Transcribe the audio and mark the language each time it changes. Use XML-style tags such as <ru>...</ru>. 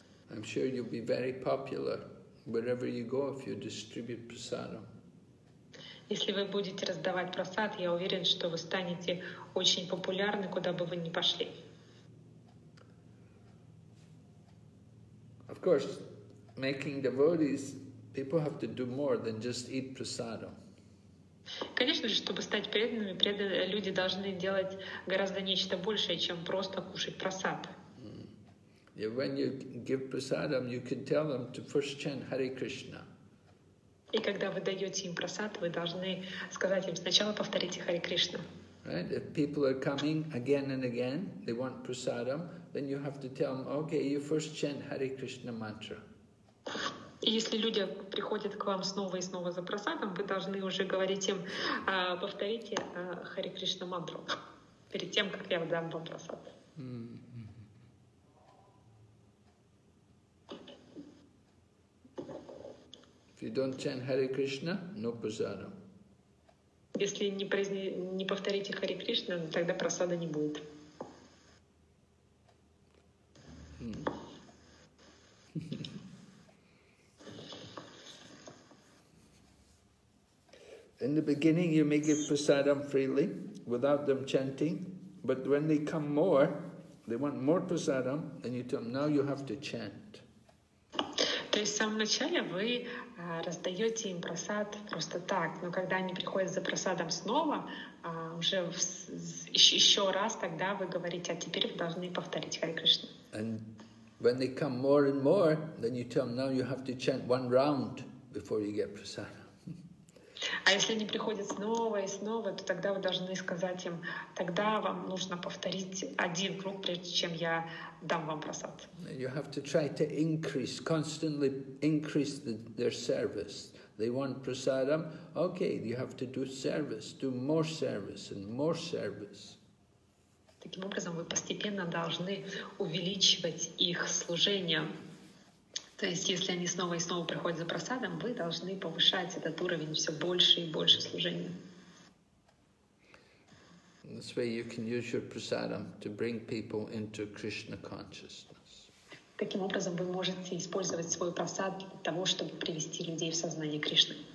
<en>I'm sure you'll be very popular wherever you go if you distribute prasadam.</en> <ru>Если вы будете раздавать прасад, я уверен, что вы станете очень популярны, куда бы вы ни пошли.</ru> <en>Of course. Making devotees, people have to do more than just eat prasadam.</en> <ru>Конечно же, чтобы стать преданными, люди должны делать гораздо нечто большее, чем просто кушать прасад.</ru> <en>Yeah, when you give prasadam, you can tell them to first chant Hare Krishna.</en> <ru>И когда вы даете им прасад, вы должны сказать им сначала повторите Hare Krishna.</ru> <en>Right? If people are coming again and again, they want prasadam, then you have to tell them, okay, you first chant Hare Krishna mantra.</en> <ru>Если люди приходят к вам снова и снова за просадом, вы должны уже говорить им, повторите Хари Кришна мантру перед тем, как я дам вам просад.</ru> <en>If you don't chant Hare Krishna, no prasada.</en> <ru>Если не повторите Хари Кришна, тогда просада не будет.</ru> <en>In the beginning, you may give prasadam freely without them chanting, but when they come more, they want more prasadam, then you tell them, now you have to chant.</en> <ru>То есть в самом начале вы раздаете им просад просто так, но когда они приходят за просадом снова, уже еще раз тогда вы говорите, а теперь вы должны повторить Хари Кришна.</ru> <en>And when they come more and more, then you tell them, now you have to chant one round before you get prasadam.</en> <ru>А если они приходят снова и снова, то тогда вы должны сказать им, тогда вам нужно повторить один круг, прежде чем я дам вам просад.</ru> <en>You have to try to increase, constantly increase their service. They want prasadam, okay, you have to do service, do more service and more service.</en> <ru>Таким образом, вы постепенно должны увеличивать их служение. То есть, если они снова и снова приходят за просадом, вы должны повышать этот уровень все больше и больше служения.</ru> <en>This way you can use your prasadam to bring people into Krishna consciousness.</en> <ru>Таким образом, вы можете использовать свой просад для того, чтобы привести людей в сознание Кришны.</ru>